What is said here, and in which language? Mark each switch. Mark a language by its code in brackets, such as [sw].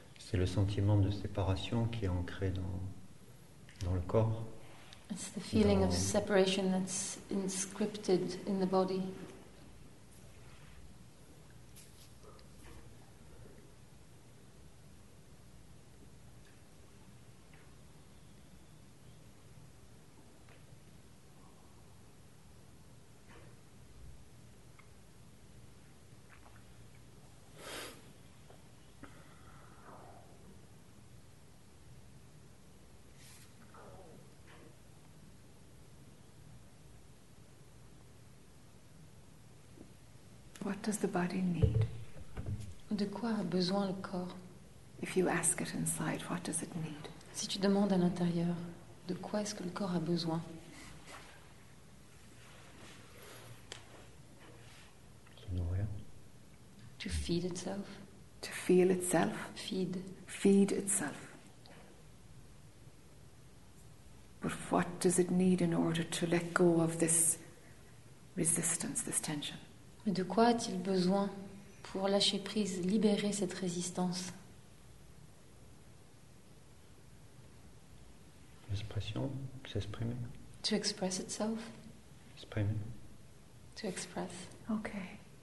[fr] C'est le sentiment de séparation qui est ancré dans le corps. [en] It's the feeling of separation that's inscripted in the body. What does the body need? [fr] De quoi a besoin le corps? [en] If you ask it inside, what does it need? [fr] Si tu demandes à l'intérieur, de quoi est-ce que le corps a besoin? Se nourrir. [en] To feed itself. To feel itself. Feed. Feed itself. But what does it need in order to let go of this resistance, this tension? [fr] Mais de quoi a-t-il besoin pour lâcher prise, libérer cette résistance? L'expression, s'exprimer. [en] To express itself. [fr] Exprimer. [en] To express. Okay.